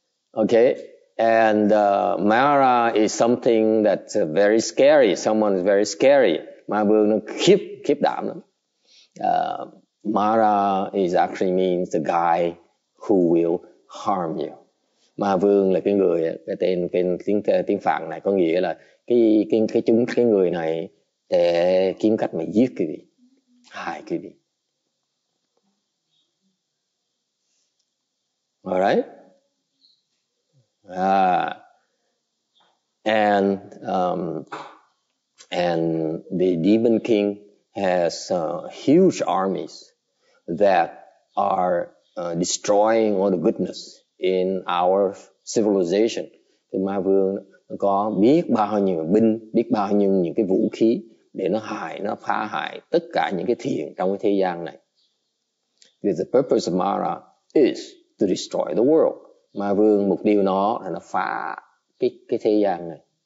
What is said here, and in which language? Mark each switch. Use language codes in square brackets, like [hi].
[en] Okay, and Mara is something that's very scary. Someone is very scary. [vi] Ma Vương nó khiếp đảm lắm. [en] Mara is actually means the guy who will harm you. [vi] Ma Vương là cái người, cái tên tiếng Phạn này có nghĩa là cái người này để kiếm cách mà giết quý vị, hại quý vị. [en] Alright. And the Demon King has huge armies that are destroying all the goodness in our civilization. [vi] Thì Ma Vương có biết bao nhiêu binh, biết bao nhiêu những cái vũ khí để nó hại, nó phá hại tất cả những cái thiện trong cái thế gian này. [en] Because the purpose of Mara is to destroy the world. [vi] Ma Vương mục tiêu nó là nó phá cái thế gian này.